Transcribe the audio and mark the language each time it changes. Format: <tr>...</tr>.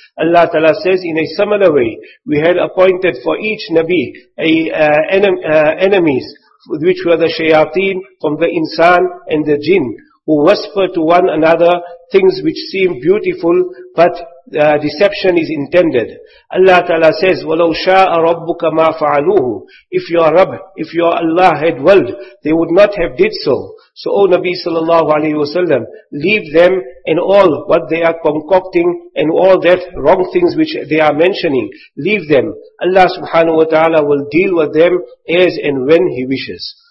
<en>Allah Ta'ala says in a similar way, we had appointed for each Nabi enemies which were the shayateen from the insan and the jinn, who whisper to one another things which seem beautiful, but deception is intended. Allah Ta'ala says,</en> <ar>وَلَوْ شَاءَ رَبُّكَ مَا فَعَلُوهُ.</ar> <en>If your Rabb, if your Allah had willed, they would not have did so. So, O Nabi sallallahu alayhi wa sallam, leave them and all what they are concocting and all that wrong things which they are mentioning. Leave them. Allah subhanahu wa ta'ala will deal with them as and when He wishes.</en>